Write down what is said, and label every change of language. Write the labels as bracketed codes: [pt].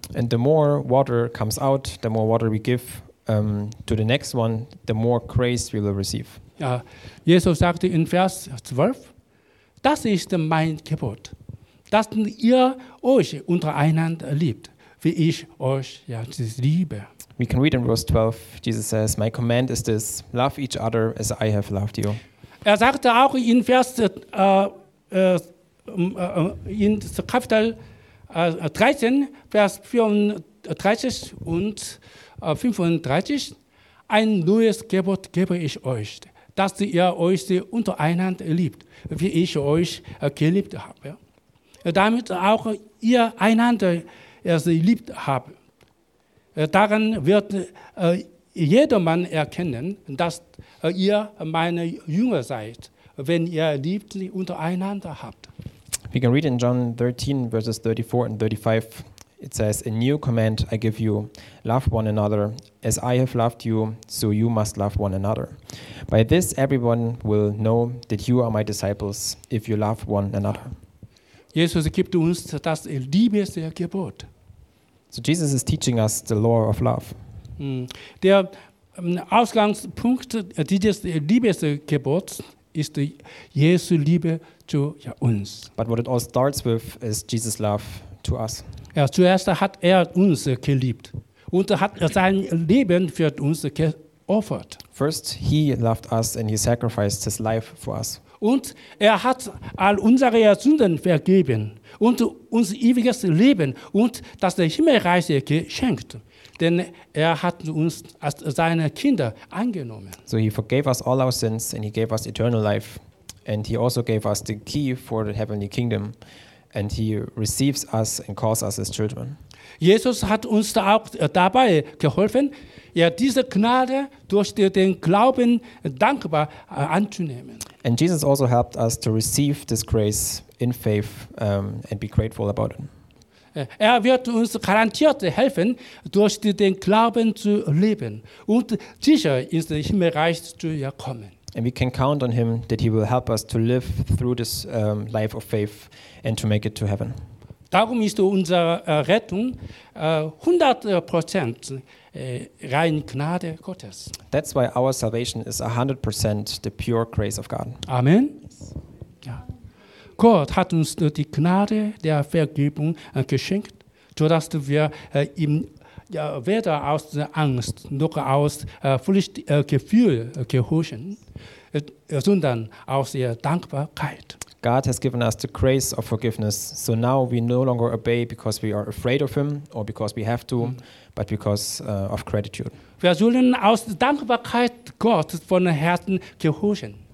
[en] And the more water comes out, the more water we give to the next one, the more grace we will receive. [de] Ja, Jesus sagte in Vers 12, das ist mein Gebot, dass ihr euch untereinander liebt, wie ich euch liebe. [en] We can read in verse 12, Jesus says, my command is this, love each other as I have loved you. [de] Er sagte auch in Vers in Kapitel 13, Vers 34 und 35, ein neues Gebot gebe ich euch, dass ihr euch untereinander liebt, wie ich euch geliebt habe. Damit auch ihr einander liebt habt. Daran wird jedermann erkennen, dass ihr meine Jünger seid, wenn ihr liebt untereinander habt. [en] We can read in John 13, verses 34 and 35. It says, a new command I give you, love one another. As I have loved you, so you must love one another. By this everyone will know that you are my disciples, if you love one another. [de] Jesus gibt uns das Liebesgebot. [en] So Jesus is teaching us the law of love. [de] Der Ausgangspunkt dieses Liebesgebots ist Jesu Liebe zu uns. [en] But what it all starts with is Jesus' love to us. [de] Ja, zuerst hat uns geliebt und hat sein Leben für uns geopfert. [en] First he loved us and he sacrificed his life for us. [de] Und hat all unsere Sünden vergeben und uns ewiges Leben und das Himmelreich geschenkt. Denn hat uns als seine Kinder angenommen. [en] So he forgave us all our sins and he gave us eternal life. And he also gave us the key for the heavenly kingdom. And he receives us and calls us his children. [de] Jesus hat uns auch dabei geholfen, diese Gnade durch den Glauben dankbar anzunehmen. [en] And Jesus also helped us to receive this grace in faith and be grateful about it. [de] Wird uns garantiert helfen, durch den Glauben zu leben und sicher ins Himmelreich zu kommen. [en] And we can count on him that he will help us to live through this life of faith and to make it to heaven. [de] Darum ist unsere Rettung 100% rein Gnade Gottes. [en] That's why our salvation is 100% the pure grace of God. [de] Amen. Ja. Gott hat uns die Gnade der Vergebung geschenkt, sodass wir ihm weder aus der Angst noch aus Pflichtgefühl gehorchen, sondern aus der Dankbarkeit. [en] God has given us the grace of forgiveness, so now we no longer obey because we are afraid of him or because we have to, but because of gratitude. [de] Wir sollen aus Dankbarkeit Gott von Herzen gehorchen.